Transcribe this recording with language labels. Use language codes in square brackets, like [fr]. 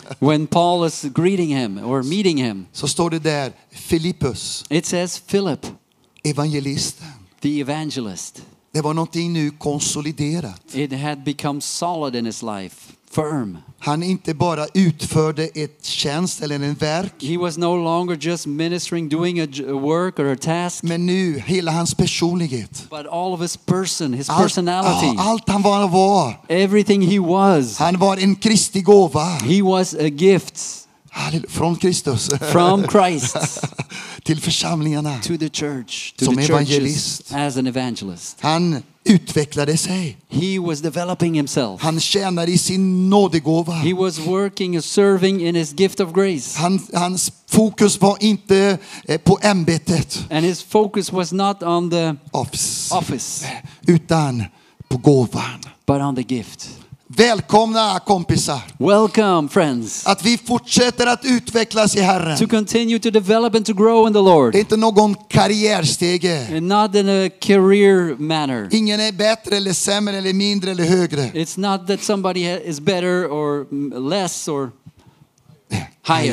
[en] When Paul is greeting him or meeting him. [sv] Så står det där Filippus. [en] It says Philip. [sv] Evangelisten. [en] The evangelist. [sv] Det var någonting nu konsoliderat. [en] It had become solid in his life. Firm. [sv] Han inte bara utförde ett tjänst eller en verk. [en] He was no longer just ministering, doing a work or a task. [sv] Men nu hela hans personlighet. [en] But all of his person, his personality. [sv] Allt han var. [en] Everything he was. [sv] Han var en Kristi gåva. [en] He was a gift. [sv] Från Kristus. [en] From Christ. [sv] Till församlingarna. [en] To the church. To [sv] som [en] the evangelist. As an evangelist. [sv] Han utvecklade sig. [en] He was developing himself. [sv] Han tjänade i sin nådegåva. [en] He was working and serving in his gift of grace. [sv] Hans fokus var inte på ämbetet. [en] And his focus was not on the office. [sv] Utan på gåvan. [en] But on the gift. [sv] Välkomna kompisar. [en] Welcome friends. [sv] Att vi fortsätter att utvecklas i Herren. [en] To continue to develop and to grow in the Lord. [sv] Det är inte någon karriärstege. [en] Not in a career manner. [sv] Ingen är bättre eller sämre eller mindre eller högre. [en] It's not that somebody is better or less or higher.